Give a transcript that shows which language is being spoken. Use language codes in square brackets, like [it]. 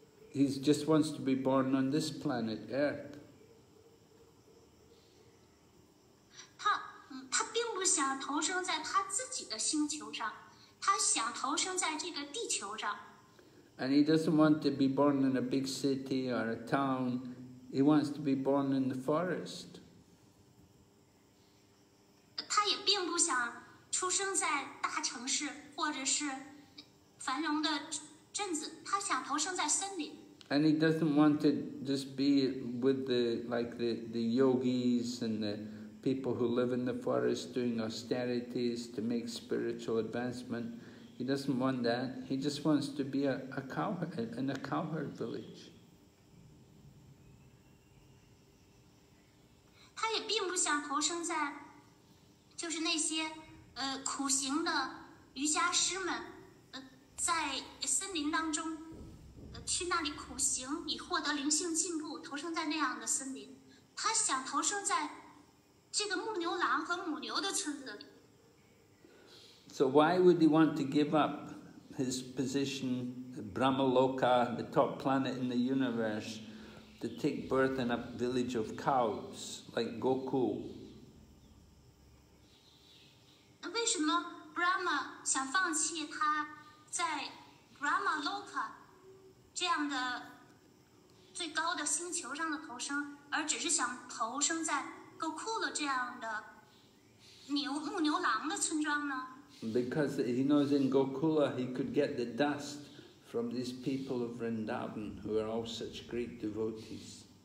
[en] He just wants to be born on this planet, Earth. [zh] 他并不想投生在他自己的星球上，他想投生在这个地球上。 [en] And he doesn't want to be born in a big city or a town. He wants to be born in the forest. [zh] 他也并不想出生在大城市或者是繁荣的镇子，他想投生在森林。 [en] And he doesn't want to just be with the yogis and the people who live in the forest doing austerities to make spiritual advancement. He doesn't want that. He just wants to be a cowherd village. [zh] 他也并不想投生在就是那些苦行的瑜伽师们在森林当中去那里苦行以获得灵性进步，投生在那样的森林。他想投生在这个牧牛郎和母牛的村子里。 [en] So why would he want to give up his position, Brahmaloka, the top planet in the universe, to take birth in a village of cows like Gokul? [zh] 为什么 Brahma 想放弃他在 Brahmaloka？这样的最高的星球上的投生，而只是想投生在 Gokula 这样的牧牛郎的村庄呢？ [en] Because he knows in Gokula he could get the dust from these people of Vrindavan who are all such great devotees.